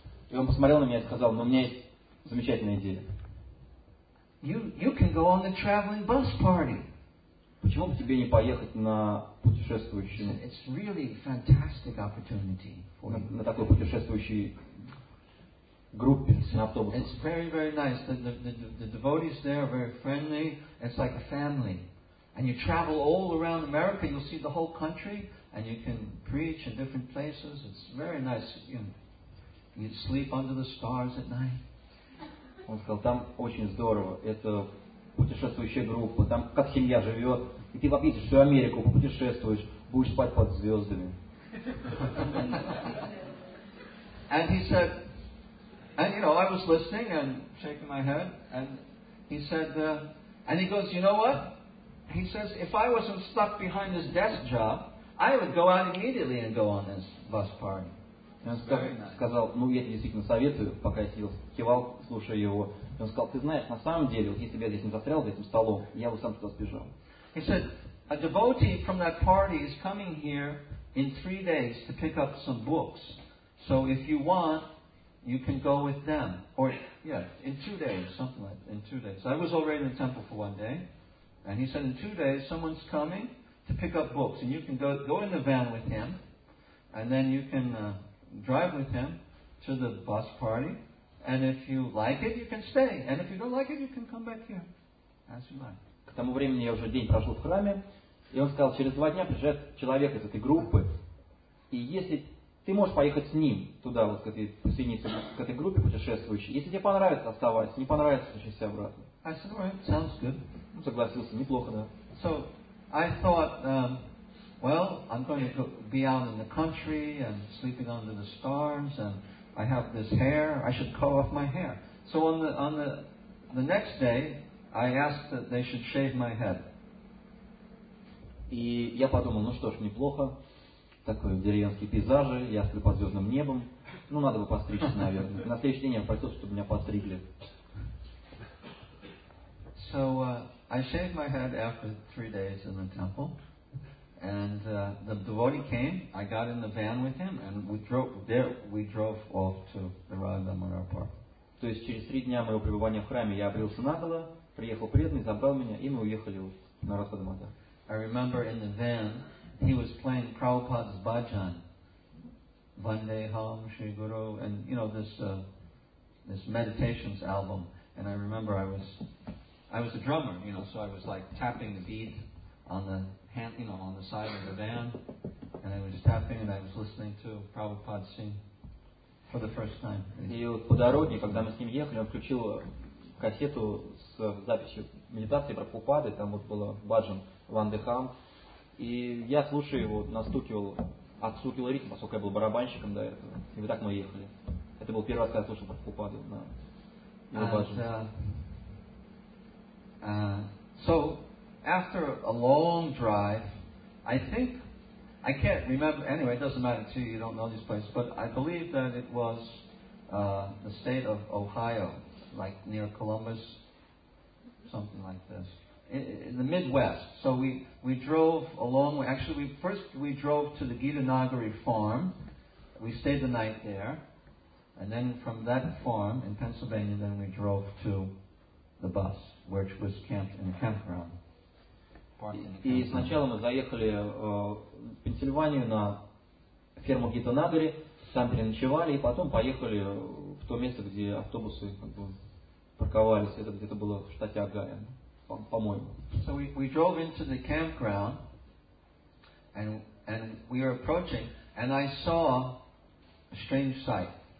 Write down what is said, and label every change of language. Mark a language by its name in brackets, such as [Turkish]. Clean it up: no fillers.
[Russian] И он посмотрел на меня и сказал, ну, у меня есть замечательная идея. [English] You can go on the traveling bus party. [Russian] Почему бы тебе не поехать на путешествующий? [English] It's really fantastic opportunity for [Russian] на такой путешествующей группе на автобусе. [English] It's very, very nice. The devotees there are very friendly. It's like a family. And you travel all around America, you'll see the whole country. And you can preach in different places. It's very nice. You sleep under the stars at night. [Russian] Он сказал, там очень здорово. Это путешествующая группа. Там как семья живет. И ты видишь всю Америку, путешествуешь, будешь спать под звездами. [English] And he said, and you know, I was listening and shaking my head. And he said, and he goes, you know what? He says, if I wasn't stuck behind this desk job, I would go out immediately and go on this bus party. [Russian] Он сказал, ну я тебе действительно советую, пока я сидел, кивал, слушая его. И он сказал, ты знаешь, на самом деле, вот если бы я здесь не застрял, за этим столом, я бы сам туда сбежал. [English] He said, a devotee from that party is coming here in 3 days to pick up some books. So if you want, you can go with them. Or, yeah, in 2 days, something like that, in 2 days. I was already in the temple for 1 day. And he said, in 2 days, someone's coming to pick up books. And you can go in the van with him. And then you can drive with him to the bus party. And if you like it, you can stay. And if you don't like it, you can come back here. As you like. [Russian] К тому времени я уже день прошел в храме. И он сказал, через 2 дня приезжает человек из этой группы. И если ты можешь поехать с ним туда, вот к этой присоединиться к этой группе путешествующей. Если тебе понравится, оставайся. Не понравится, возвращайся обратно. [English] I said, all right, sounds good. [Russian] Он согласился, неплохо, да. [English] So, I thought, well, I'm going to be out in the country and sleeping under the stars and I have this hair, I should cut off my hair. So on the next day, I asked that they should shave my head. [Russian] И я подумал, ну что ж, неплохо. Такой деревенский пейзажи, я сплю под звездным небом. Ну, надо бы постричься, наверное. На следующий день я просил, чтобы меня постригли. [English] So, I shaved my head after 3 days in the temple. And the devotee came, I got in the van with him, and we drove off to the Radha-Madhava Park. [Russian] То есть через 3 дня моего пребывания в храме я обрился наголо, приехал преданный, забрал меня, и мы уехали на Радха-Мадхава. [English] I remember in the van, he was playing Prabhupada's bhajan. Vande Ham Shri Guru, and you know, this meditations album. And I remember I was a drummer, you know, so I was like tapping the beat on the hand, you know, on the side of the van, and I was tapping and I was listening to Prabhupada sing for the first time. [Russian] И по дороге, когда мы с ним ехали, он включил кассету с записью медитации Прабхупады, там вот было bhajan Vande Ham. И я слушаю его, настукивал, отстукивал ритм, поскольку я был барабанщиком до этого. И вот так мы ехали. Это был первый раз, когда я слушал Прабхупаду на его баджан. [English] So, after a long drive, I think, I can't remember, anyway, it doesn't matter to you, you don't know this place, but I believe that it was the state of Ohio, like near Columbus, something like this. In the Midwest, so we drove a long way. Actually, we drove to the Gita Nagari farm. We stayed the night there, and then from that farm in Pennsylvania, then we drove to the bus, which was camped in the campground. [Russian] И сначала мы заехали в Пенсильванию на ферму Гита Нагари, там переночевали, и потом поехали в то место, где автобусы парковались. Это где-то было в штате Огайо. [English] So we drove into the campground and we were approaching and I saw a strange sight.